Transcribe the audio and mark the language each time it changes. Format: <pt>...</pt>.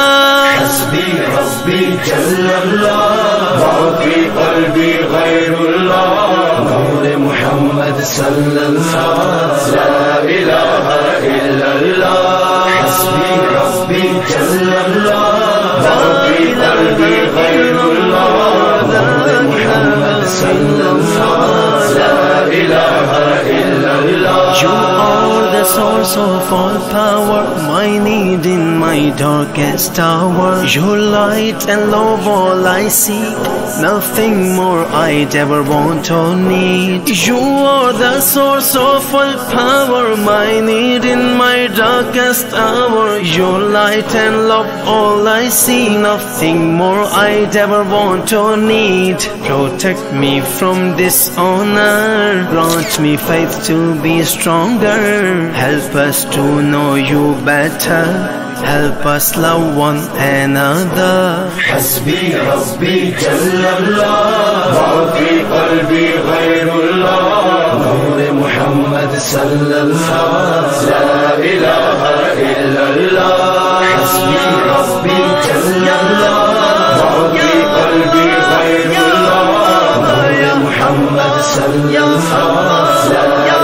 <ar>حسبی ربی جل اللہ باقی قلبی غیر اللہ نور محمد صلی اللہ لا الہ الا اللہ حسبی ربی جل اللہ باقی قلبی غیر اللہ نور محمد صلی اللہ لا الہ الا اللہ</ar> <en>Source of all power, my need in my darkest hour. Your light and love all I seek, nothing more I'd ever want or need. You are the source of all power, my need in my darkest hour. Your light and love all I see, nothing more I'd ever want or need. Protect me from dishonor, grant me faith to be stronger. Help us to know you better, help us love one another.</en> <ar>حسبی ربی جل اللہ باقی قلبی غیر اللہ نور محمد صلی اللہ لا الہ الا اللہ حسبی ربی جل اللہ باقی قلبی غیر اللہ نور محمد صلی اللہ</ar>